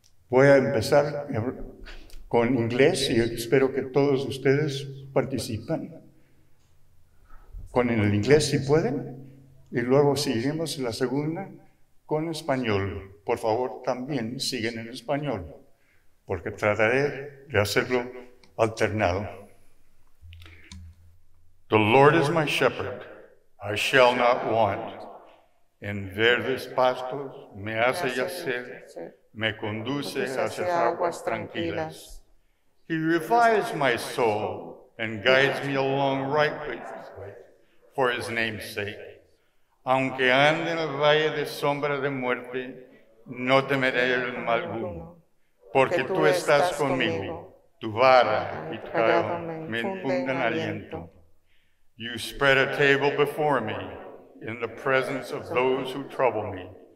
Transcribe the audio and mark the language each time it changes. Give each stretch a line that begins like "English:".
Spanish: Voy a empezar con inglés y espero que todos ustedes participen con el inglés, si pueden, y luego seguiremos la segunda con español. Por favor, también siguen en español, porque trataré de hacerlo alternado.
English: The Lord is my shepherd, I shall not want.
Spanish: En verdes pastos me hace yacer, me conduce hacia aguas tranquilas.
English: He revives my soul and guides me along right ways. For his name's sake.
Spanish: Aunque ande en el valle de sombra de muerte, no temeré el mal alguno, porque tú estás conmigo, tu vara y tu callado me infunden aliento.
English: You spread a table before me in the presence of those who trouble me.